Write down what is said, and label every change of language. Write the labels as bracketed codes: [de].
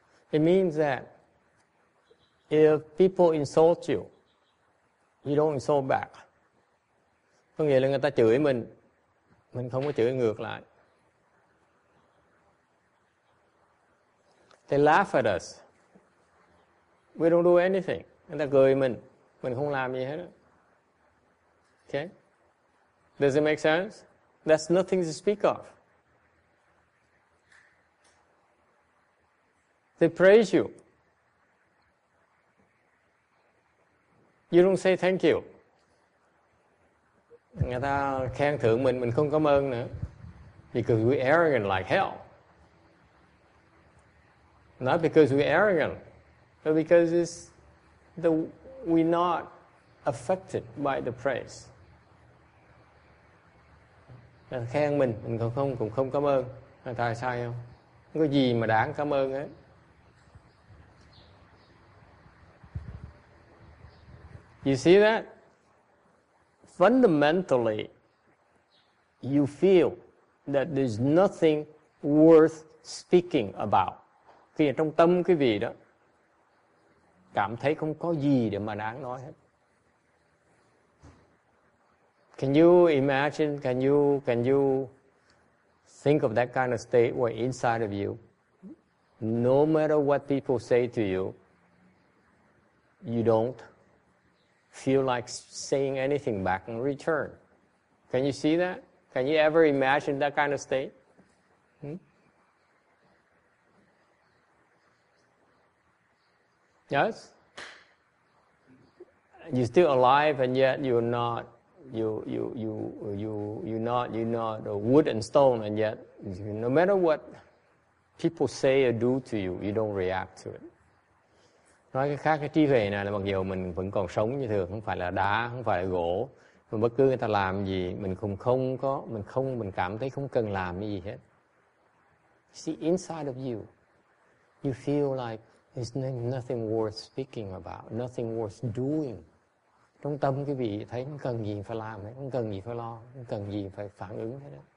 [en] It means that if people insult you, you don't insult back. [vi] Có nghĩa là người ta chửi mình không có chửi ngược lại. [en] They laugh at us. We don't do anything. [vi] Người ta cười mình không làm gì hết. [en] Okay? Does it make sense? That's nothing to speak of. They praise you. You don't say thank you. [vi] Người ta khen thưởng mình không cảm ơn nữa. [en] Because we're arrogant like hell. Not because we're arrogant, but because we're not affected by the praise. [vi] Khen mình cũng không cảm ơn. Người ta sai không? Không có gì mà đáng cảm ơn ấy. [en] You see that? Fundamentally, you feel that there's nothing worth speaking about. [vi] Khi trong tâm quý vị đó cảm thấy không có gì để mà đáng nói hết. [en] Can you imagine? Can you think of that kind of state where inside of you, no matter what people say to you, you don't feel like saying anything back in return? Can you see that? Can you ever imagine that kind of state? Yes? You're still alive, and yet you're not. You're not wood and stone, and yet no matter what people say or do to you, you don't react to it. [vi] Nói cái khác, cái trí huệ này là mặc dù mình vẫn còn sống như thường, không phải là đá, không phải là gỗ, mà bất cứ người ta làm gì mình cũng không có, mình cảm thấy không cần làm gì hết. [en] See, inside of you, you feel like there's nothing worth speaking about, nothing worth doing. [vi] Trong tâm quý vị thấy không cần gì phải làm, không cần gì phải lo, không cần gì phải phản ứng hết.